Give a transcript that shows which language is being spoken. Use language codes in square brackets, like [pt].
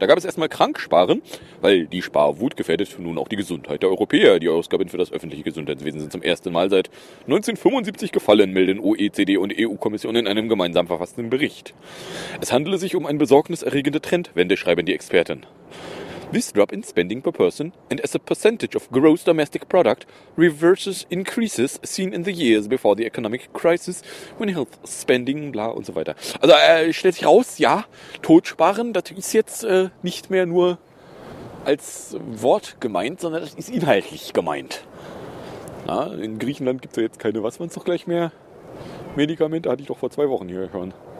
[de] Da gab es erstmal Kranksparen, weil die Sparwut gefährdet nun auch die Gesundheit der Europäer. Die Ausgaben für das öffentliche Gesundheitswesen sind zum ersten Mal seit 1975 gefallen, melden OECD und EU-Kommission in einem gemeinsam verfassten Bericht. Es handele sich um eine besorgniserregende Trendwende, schreiben die Experten. [en] This drop in spending per person and as a percentage of gross domestic product reverses increases seen in the years before the economic crisis when health spending, [de] bla und so weiter. Also stellt sich raus, ja, Totsparen, das ist jetzt nicht mehr nur als Wort gemeint, sondern das ist inhaltlich gemeint. Na, in Griechenland gibt es ja jetzt keine, was man es doch gleich mehr, Medikamente, hatte ich doch vor 2 Wochen hier gehört.